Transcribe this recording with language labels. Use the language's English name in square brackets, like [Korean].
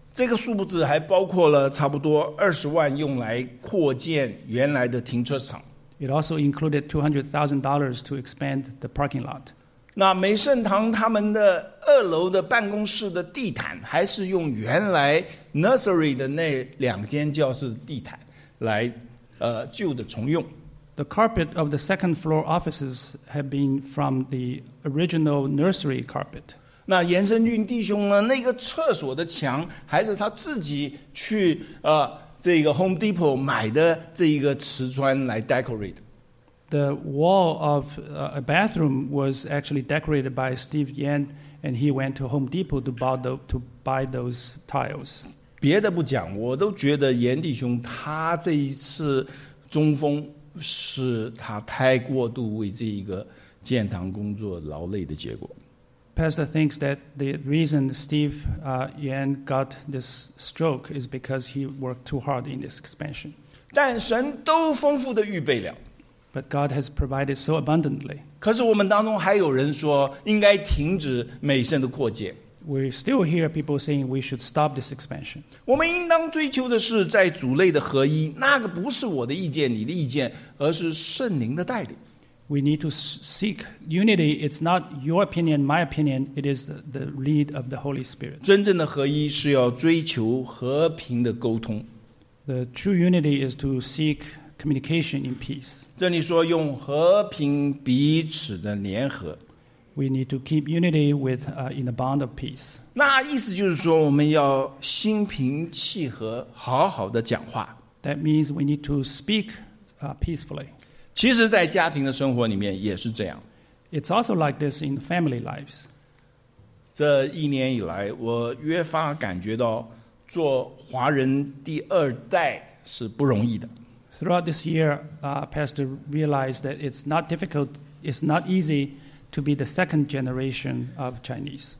[Chinese] 这个数字还包括了差不多200,000用来扩建原来的停车场。 [English] It also included $200,000 to expand the parking lot. [Chinese] 那美圣堂他们的二楼的办公室的地毯还是用原来 nursery 的那两间教室的地毯来旧的重用。 [English] The carpet of the second floor offices have been from the original nursery carpet. [Chinese] 那严生俊弟兄呢？那个厕所的墙还是他自己去这个 Home Depot 买的这一个瓷砖来 [English] decorate。 The wall of a bathroom was actually decorated by Steve Yan, and he went to Home Depot to buy those tiles. [Chinese] 别的不讲，我都觉得严弟兄他这一次中风。是他太过度为这一个建堂工作劳累的结果。 [English] Pastor thinks that the reason Steve Yan got this stroke is because he worked too hard in this expansion. [Chinese] 但神都丰富的预备了。 [English] But God has provided so abundantly. [Chinese] 可是我们当中还有人说应该停止美圣的扩建。 [English] We still hear people saying we should stop this expansion. [Chinese] 我们应当追求的是在主内的合一，那个不是我的意见，你的意见，而是圣灵的带领。 [English] We need to seek unity. It's not your opinion, my opinion. It is the lead of the Holy Spirit. [Chinese] 真正的合一是要追求和平的沟通。 [English] The true unity is to seek communication in peace. [Chinese] 这里说用和平彼此的联合。 [English] We need to keep unity with in the bond of peace. [Chinese] 那意思就是说，我们要心平气和，好好的讲话。 [English] That means we need to speak peacefully. [Chinese] 其实，在家庭的生活里面也是这样。 [English] It's also like this in family lives. [Chinese] 这一年以来，我越发感觉到做华人第二代是不容易的。 [English] Throughout this year, Pastor realized that it's not difficult. It's not easy. To be the second generation of Chinese.